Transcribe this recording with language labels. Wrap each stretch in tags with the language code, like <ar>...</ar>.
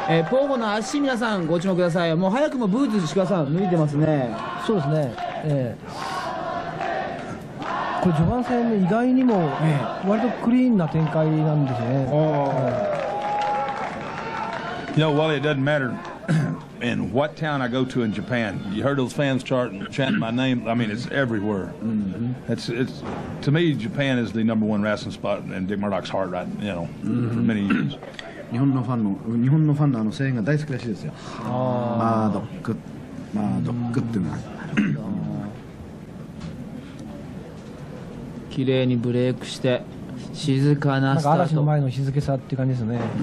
<ja>ポーゴの足、皆さんご注目ください。もう早くもブーツ石川さん脱いでますね。そうですね、これ序盤戦で意外にも割とクリーンな展開なんですね。</ja> <en>You know, Wally, it doesn't matter in what town I go to in Japan. You heard those fans start chanting my name. I mean, it's everywhere. It's to me, Japan is the number one wrestling spot in Dick Murdoch's heart, right? You know, for many years.</en> <ja>日本のファンのあの声援が大好きらしいですよ。マードック、マードックっていうのは。綺麗にブレイクして静かなスタート、嵐の前の静けさっていう感じですね、</ja>